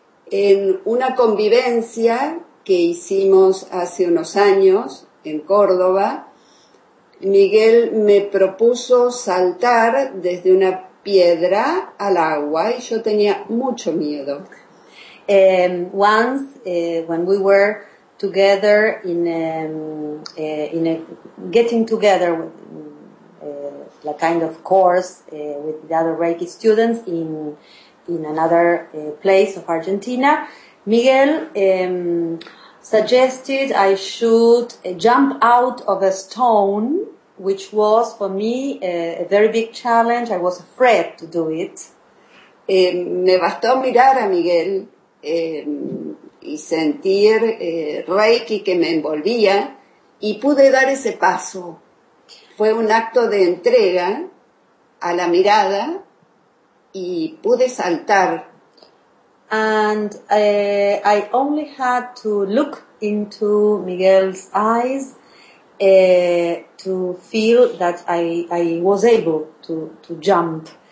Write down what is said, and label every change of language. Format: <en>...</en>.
<es>En una convivencia que hicimos hace unos años en Córdoba, Miguel me propuso saltar desde una piedra al agua y yo tenía mucho miedo.</es> <en>When we were together in a getting together with a kind of course with the other Reiki students in another place of Argentina, Miguel suggested I should jump out of a stone, which was for me a very big challenge. I was afraid to do it.</en> <es>Me bastó mirar a Miguel y sentir Reiki que me envolvía y pude dar ese paso. Fue un acto de entrega a la mirada y pude saltar.</es> <en>And I only had to look into Miguel's eyes to feel that I was able to jump.</en>